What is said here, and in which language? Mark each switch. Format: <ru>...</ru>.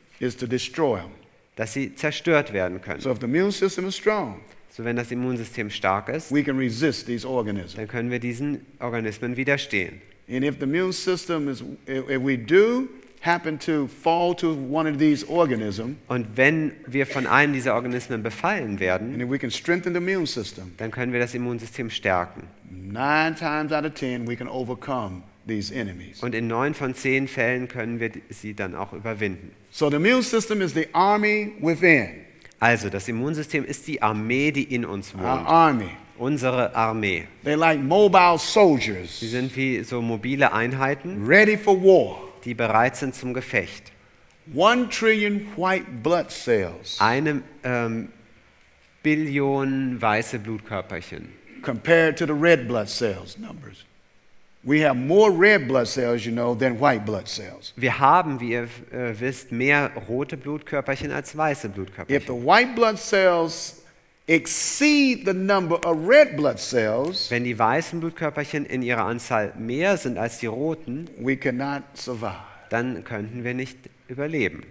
<en>Is to destroy them.</en> <de>Dass sie zerstört werden können.</de> <en>So if the immune system is strong.</en> <de>So wenn das Immunsystem stark ist.</de> <en>We can resist these organisms.</en> <de>Dann können wir diesen Organismen widerstehen.</de> <en>And if the immune system is, if we do happen to fall to one of these organisms,</en> <de>und wenn wir von einem dieser Organismen befallen werden,</de> <en>and if we can strengthen the immune system,</en> <de>dann können wir das Immunsystem stärken.</de> <en>9 times out of 10 we can overcome these enemies.</en> <de>Und in 9 von 10 Fällen können wir sie dann auch überwinden.</de> <en>So the immune system is the army within.</en> <de>Also das Immunsystem ist die Armee, die in uns wohnt.</de> <en>Our army.</en> <de>Unsere Armee.</de> <en>They're like mobile soldiers.</en> <de>Sie sind wie so mobile Einheiten.</de> <en>Ready for war.</en> <de>Die bereit sind zum Gefecht.</de> <en>1 trillion white blood cells.</en> <de>Eine Billion weiße Blutkörperchen.</de> <en>Compared to the red blood cells numbers. We have more red blood cells, you know, than white blood cells.</en> <de>Wir haben, wie ihr wisst, mehr rote Blutkörperchen als weiße Blutkörperchen.</de> <en>If the white blood cells exceed the number of red blood cells,</en> <de>wenn die weißen Blutkörperchen in ihrer Anzahl mehr sind als die roten,</de> <en>we cannot survive.</en> <de>Dann könnten wir nicht überleben.</de>